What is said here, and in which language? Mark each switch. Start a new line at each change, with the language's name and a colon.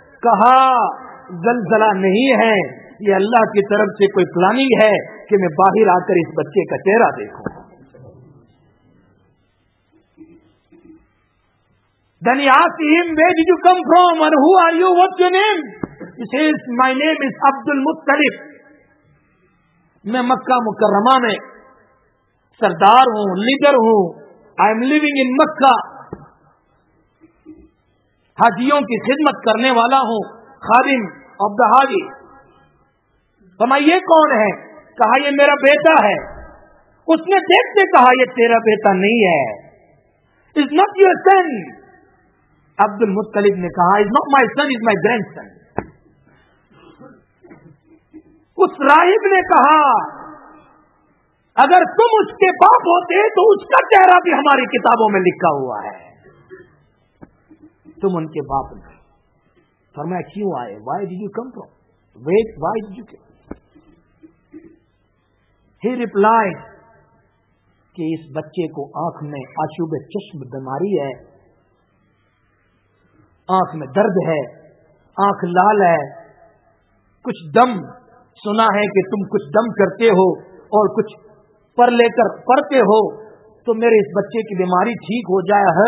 Urdu: کہا, زلزلہ نہیں ہے, یہ اللہ کی طرف سے کوئی پلاننگ ہے کہ میں باہر آ کر اس بچے کا چہرہ دیکھوں.
English: Then he asked him, where did you come from and who are you, what's your name? He says, my name is
Urdu: عبد المطلب, میں مکہ مکرمہ میں سردار ہوں, لیڈر ہوں.
English: I am living in
Urdu: مکہ, حاجیوں کی خدمت کرنے والا ہوں, خادم of the حاجی. فرمایا, یہ کون ہے؟ کہا, یہ میرا بیٹا ہے. اس نے دیکھتے کہا, یہ تیرا بیٹا نہیں ہے,
English: is not your son. عبد المطلب
Urdu: نے کہا,
English: is not my son, is my grandson.
Urdu: اس راہب نے کہا, اگر تم اس کے باپ ہوتے تو اس کا چہرہ بھی ہماری کتابوں میں لکھا ہوا ہے, تم ان کے باپ نہیں. فرمایا, کیوں آئے؟
English: Why did you come from? Wait, why did you come? He replied,
Urdu: کہ اس بچے کو آنکھ میں آشوب چشم بیماری ہے, آنکھ میں درد ہے, آنکھ لال ہے, کچھ دم سنا ہے کہ تم کچھ دم کرتے ہو اور کچھ پر لے کر پڑتے ہو, تو میرے اس بچے کی بیماری ٹھیک ہو جائے.